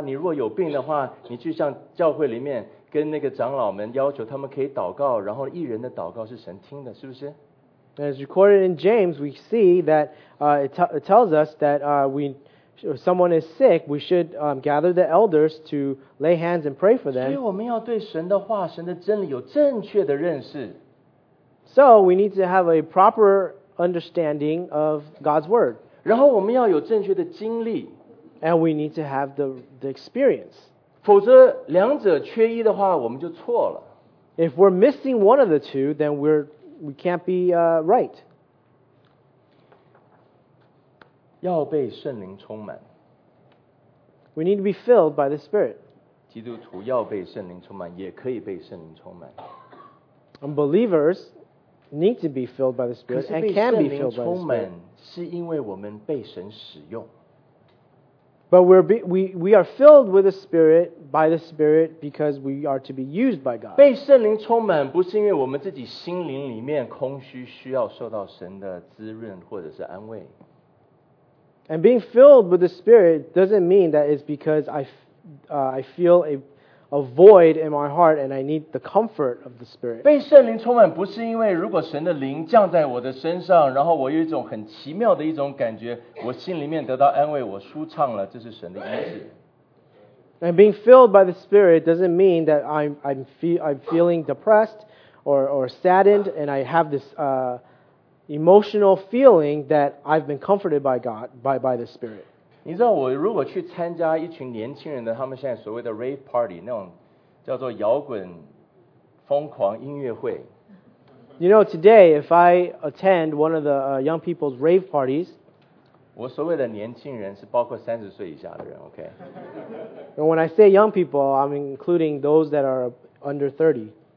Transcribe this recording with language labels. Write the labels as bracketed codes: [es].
[zh] 你若有病的话, 你去向教会里面跟那个长老们要求他们可以祷告, 然后一人的祷告是神听的, 是不是? [en] And as recorded in James, we see that it tells us that if someone is sick, we should gather the elders to lay hands and pray for them. [zh] 所以我们要对神的话，神的真理有正确的认识。 [en] So we need to have a proper understanding of God's word. [zh] 然后我们要有正确的经历。 [en] And we need to have the experience. [zh] 否则两者缺一的话，我们就错了。 [en] If we're missing one of the two, then we can't be right. [zh] 要被圣灵充满。 [en] We need to be filled by the Spirit. [zh] 基督徒要被圣灵充满, 也可以被圣灵充满。 [en] And believers need to be filled by the Spirit and can be filled by the Spirit. [zh] 是因为我们被神使用。 [en] But we are filled with the Spirit by the Spirit because we are to be used by God. [zh] 被圣灵充满不是因为我们自己心灵里面空虚需要受到神的滋润或者是安慰。 [en] And being filled with the Spirit doesn't mean that it's because I feel a void in my heart and I need the comfort of the Spirit. [zh] 被圣灵充满不是因为如果神的灵降在我的身上，然后我有一种很奇妙的一种感觉，我心里面得到安慰，我舒畅了，这是神的恩赐。 [en] And being filled by the Spirit doesn't mean that I'm feeling depressed or saddened and I have this emotional feeling that I've been comforted by God, by the Spirit. [zh] 你知道我如果去参加一群年轻人的他们现在所谓的 rave party, 那种叫做摇滚疯狂音乐会。 [en] You know, today, if I attend one of the young people's rave parties, [zh] 我所谓的年轻人是包括30岁以下的人 okay? [en] And when I say young people, I'm including those that are under 30.